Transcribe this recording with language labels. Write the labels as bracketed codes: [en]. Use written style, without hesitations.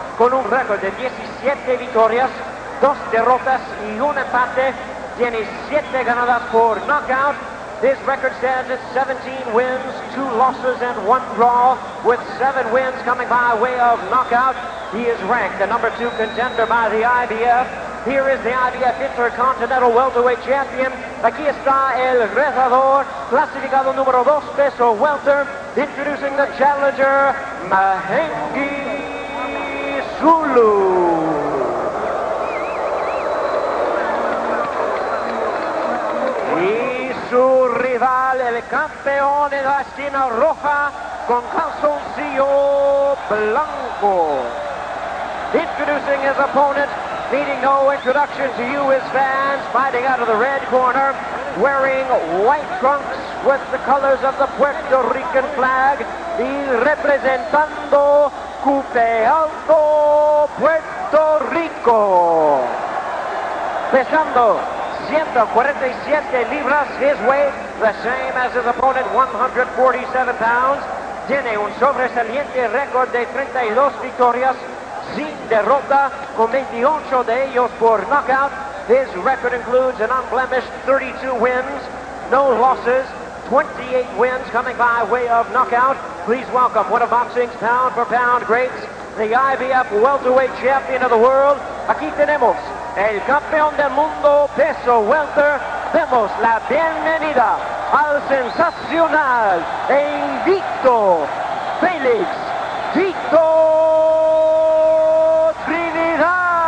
[es] Con un récord de 17 victorias, 2 derrotas y un empate. Tiene 7 ganadas por knockout. [en] His record stands at 17 wins, 2 losses, and 1 draw, with 7 wins coming by way of knockout. He is ranked the number 2 contender by the IBF. Here is the IBF Intercontinental Welterweight Champion. [es] Aquí está el retador, clasificado número 2, peso welter, [en] introducing the challenger, Mahenge Zulu. [es] Su rival, el campeón en la esquina roja, con calzoncillo blanco. [en] Introducing his opponent, needing no introduction to you, his fans, fighting out of the red corner, wearing white trunks with the colors of the Puerto Rican flag, [es] y representando [en] Cupe Alto, Puerto Rico. [es] Pesando 147 libras, [en] his weight, the same as his opponent, 147 pounds. [es] Tiene un sobresaliente récord de 32 victorias, sin derrota, con 28 de ellos por knockout. [en] His record includes an unblemished 32 wins, no losses, 28 wins coming by way of knockout. Please welcome one of boxing's pound-for-pound greats, the IBF welterweight champion of the world. [es] Aquí tenemos el campeón del mundo peso welter. Demos la bienvenida al sensacional e invicto Felix Tito Trinidad.